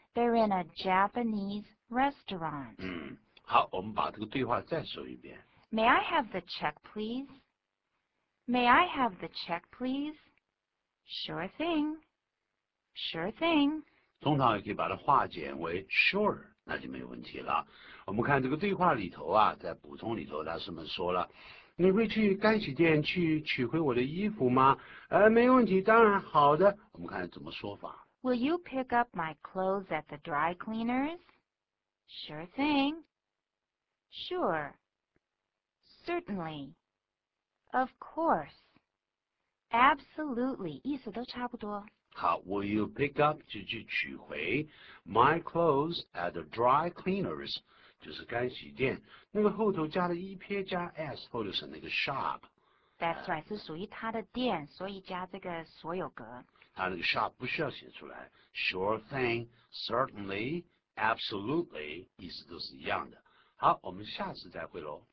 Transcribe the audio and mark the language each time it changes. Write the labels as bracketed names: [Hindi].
[English] They're in a Japanese restaurant. [Chinese] 好，我们把这个对话再说一遍。 [English] May I have the check, please? May I have the check, please? Sure thing. Sure thing. [Chinese] 通常也可以把它化简为 sure, 那就没问题了。我们看这个对话里头啊，在补充里头，他是怎么说了。你会去干洗店去取回我的衣服吗？没问题，当然好的。我们看怎么说法。 [English] Will you pick up my clothes at the dry cleaners? Sure thing. Sure. Certainly. Of course. [Chinese] Absolutely. 意思都差不多。 [English] 好 ，Will you pick up [Chinese] 就去取回 [English] my clothes at the dry cleaners? [Chinese] 就是干洗店，那个后头加了一撇加 s， 或者是那个 shop。 [English] That's right， [Chinese] 是属于他的店，所以加这个所有格。他那个 shop 不需要写出来 ， [English] sure thing， certainly， absolutely， [Chinese] 意思都是一样的。好，我们下次再会喽。